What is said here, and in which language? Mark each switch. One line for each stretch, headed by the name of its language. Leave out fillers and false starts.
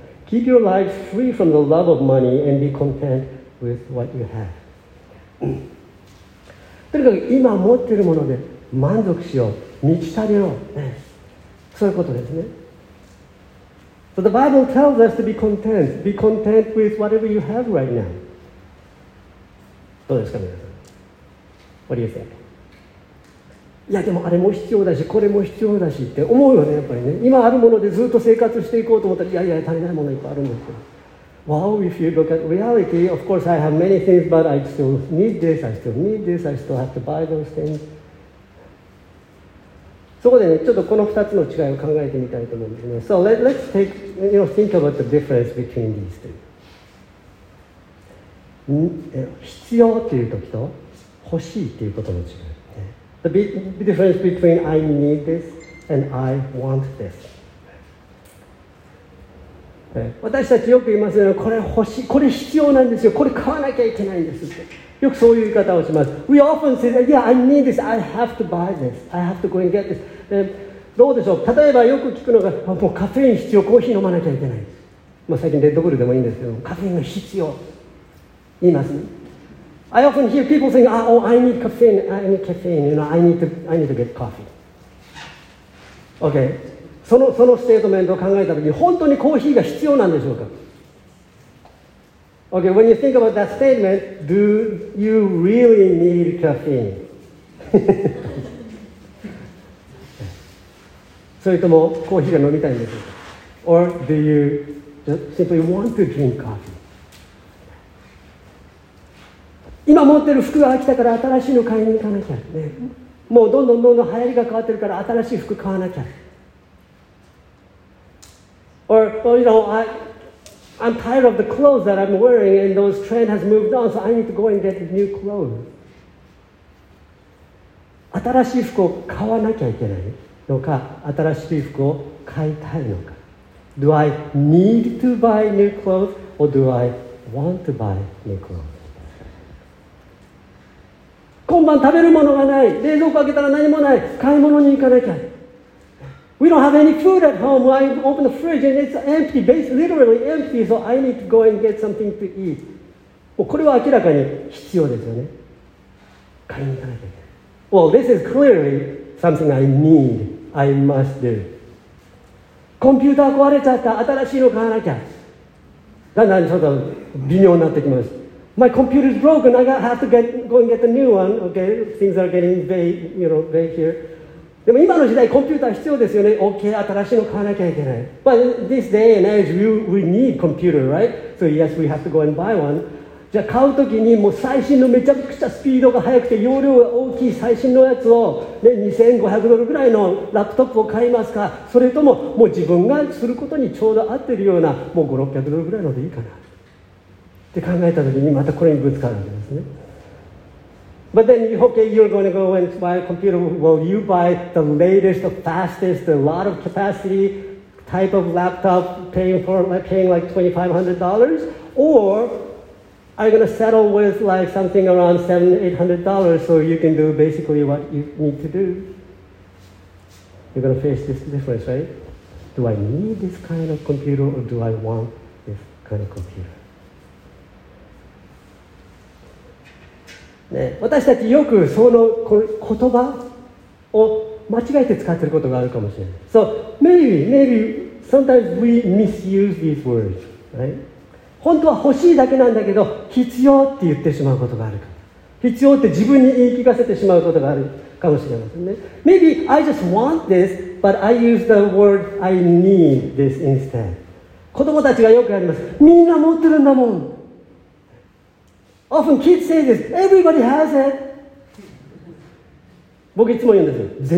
English: Keep your life free from the love of money and be content with what you have.
Japanese: とにかく今持っているもので満足しよう、満ち足りよう、ね、そういうことですね。
English: So the Bible tells us to be content. Be content with whatever you have right now.
Japanese: どうですか皆さん、
English: What do you think?
Japanese: いやでもあれも必要だし、これも必要だしって思うよね、やっぱりね。今あるものでずっと生活していこうと思ったら、いやいや足りないものいっぱいあるんですけど。
English: Well, if you look at reality, of course I have many things, but I still need this, I still need this, I still have to buy those things.
Japanese: そこでね、ちょっとこの2つの違いを考えてみたいと思うんですね。
English: So let's take, you know, think about the difference between these two.
Japanese: 必要っていう時と欲しいっていうことの違い。
English: The difference between I need this and I want this.
Japanese: 私たちよく言いますよね、これ欲しい、これ必要なんですよ、これ買わなきゃいけないんですって。よくそういう言い方をします。
English: We often say that, yeah, I need this, I have to buy this, I have to go and get this.
Japanese: どうでしょう、例えばよく聞くのが、もうカフェイン必要、コーヒー飲まなきゃいけない。まあ、最近レッドブルでもいいんですけど、カフェインが必要。言いますね。
English: I often hear people saying, oh, I need caffeine, you know, I need to get coffee. Okay.
Japanese: そのステートメントを考えたときに、本当にコーヒーが必要なんでしょうか？
English: Okay, when you think about that statement, do you really need caffeine?
Japanese: それともコーヒーが飲みたいんでしょうか？
English: Or do you just simply want to drink coffee?
Japanese: 今持ってる服が飽きたから新しいの買いに行かなきゃ、ね、もうどんどんどんどん流行りが変わってるから新しい服買わなきゃ。
English: Or, you know, I'm tired of the clothes that I'm wearing and those trend has moved on, so I need to go and get new clothes.
Japanese: 新しい服を買わなきゃいけないのか、新しい服を買いたいのか。
English: Do I need to buy new clothes or do I want to buy new clothes?
Japanese: 今晩食べるものがない、冷蔵庫開けたら何もない、買い物に行かなきゃ。
English: We don't have any food at home. I open the fridge and it's empty, basically, literally empty, so I need to go and get something to eat.
Japanese: もうこれは明らかに必要ですよね。買いに行かなきゃ。
English: Well, this is clearly something I need, I must do.
Japanese: コンピューター壊れちゃった、新しいの買わなきゃ。だんだんちょっと微妙になってきます。
English: My computer is broken. I have to go and get a new one. Okay, things are getting vague, you know, vague here.
Japanese: でも今の時代コンピューター必要ですよね。 Okay, 新しいの買わなきゃいけない。
English: But this day and age, we need computer, right? So yes, we have to go and buy one.
Japanese: じゃあ買うときにもう最新のめちゃくちゃスピードが速くて容量が大きい最新のやつを、ね、2500ドルぐらいのラップトップを買いますか、それとももう自分がすることにちょうど合ってるようなもう500、600ドルぐらいのでいいかなって考えたときにまたこれにぶつかるんですね。
English: But then, okay, you're going to go and buy a computer. Will you buy the latest, the fastest, a lot of capacity type of laptop paying like $2,500? Or are you going to settle with like something around $700-$800 so you can do basically what you need to do? You're going to face this difference, right? Do I need this kind of computer or do I want this kind of computer?
Japanese: ね、私たちよくその言葉を間違えて使っていることがあるかもしれない。
English: So maybe sometimes we misuse these words、right?
Japanese: 本当は欲しいだけなんだけど必要って言ってしまうことがあるか、必要って自分に言い聞かせてしまうことがあるかもしれませんね。
English: Maybe I just want this but I use the word I need this instead。
Japanese: 子供たちがよくやります。みんな持ってるんだもん。
English: Often kids say this, everybody has it.
Japanese: 僕いつも言うんですよ。